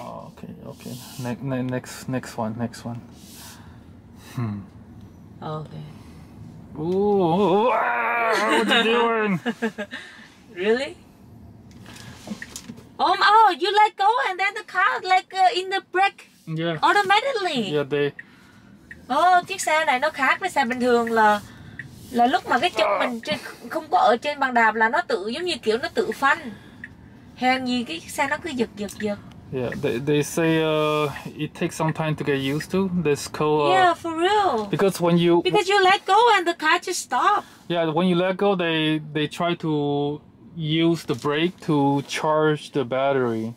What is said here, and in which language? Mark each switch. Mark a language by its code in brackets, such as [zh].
[en] Oh, okay. Next one. Okay. Ooh, what are you doing? Really? You let go and then the car like in the brake. Yeah. Automatically. Yeah, they. [vi] Oh, chiếc xe này nó khác với xe bình thường là lúc mà cái chân mình trên, không có ở trên bàn đạp là nó tự giống như kiểu nó tự phanh. Hèn gì cái xe nó cứ giật. [en] Yeah, they say it takes some time to get used to this car. Yeah, for real. Because you let go and the car just stops. Yeah, when you let go, they try to use the brake to charge the battery.